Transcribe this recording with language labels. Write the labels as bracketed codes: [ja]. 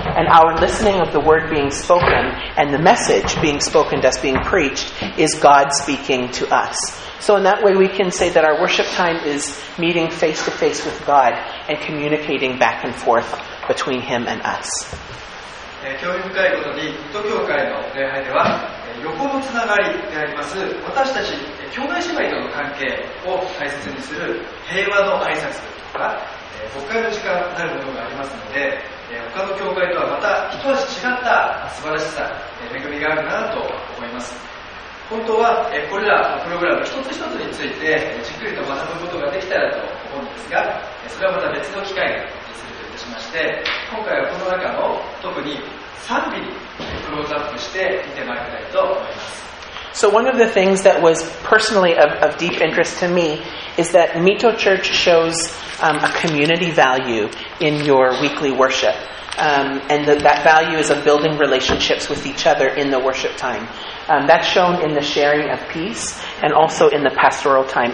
[en] And our listening of the word being spoken and the message being spoken to us, being preached, is God speaking to us. So in that way, we can say that our worship time is meeting face to face with God and communicating back and forth between Him and us. [ja] 興味深いことに、水戸教会の礼拝では横のつながりであります、私たち兄弟姉妹との関係を大切にする平和の挨拶とか、牧会の時間になるものがありますので、他の教会とはまた一足違った素晴らしさ、恵みがあるなと思います。本当はこれらのプログラム一つ一つについてじっくりと学ぶことができたらと思うんですが、それはまた別の機会がしまして、今回はこの中の特に賛美にクローズアップして見てまいりたいと思います。 [en] So one of the things that was personally of deep interest to me is that Mito Church shows a community value in your weekly worship. And that value is of building relationships with each other in the worship time. That's shown in the sharing of peace and also in the pastoral time.